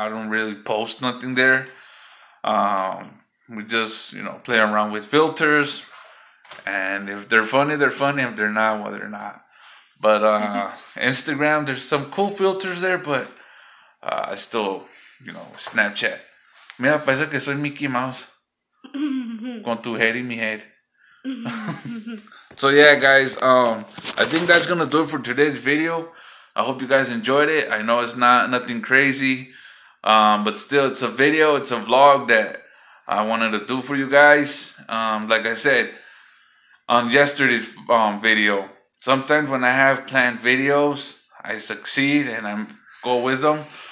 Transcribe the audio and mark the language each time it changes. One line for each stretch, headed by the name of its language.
English: I don't really post nothing there. We just, you know, play around with filters. And if they're funny, they're funny. If they're not, well, they're not. But Instagram, there's some cool filters there, but I still, you know, Snapchat.
Spanish: Mira, parece que soy Mickey Mouse. Con tu
English: head in
Spanish: mi head.
English: So yeah, guys, I think that's going to do it for today's video. I hope you guys enjoyed it. I know it's not nothing crazy, but still, it's a video. It's a vlog that I wanted to do for you guys. Like I said, on yesterday's video, sometimes when I have planned videos, I succeed and I go with them.